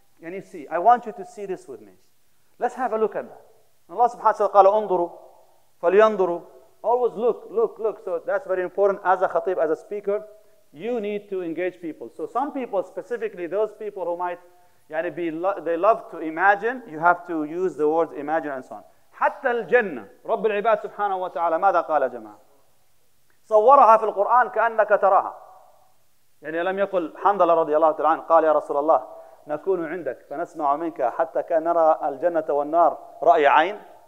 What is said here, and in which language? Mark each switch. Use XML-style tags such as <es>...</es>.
<en>Can you see? I want you to see this with me. Let's have a look at that.</en> <ar>Allah subhanahu wa ta'ala قال أنظروا فلينظروا.</ar> <en>Always look, look, look. So that's very important as a khatib, as a speaker. You need to engage people. So some people, specifically those people who might يعني they love to imagine, you have to use the words imagine and so on.</en> <ar>حتى الجنة رب العباد سبحانه وتعالى ماذا قال جماعة صورها في القرآن كأنك تراها. يعني لم يقل حنظلة رضي الله تعالى عنه قال يا رسول الله نكون عندك فنسمع منك حتى كان نرى الجنة والنار رأي عين.</ar>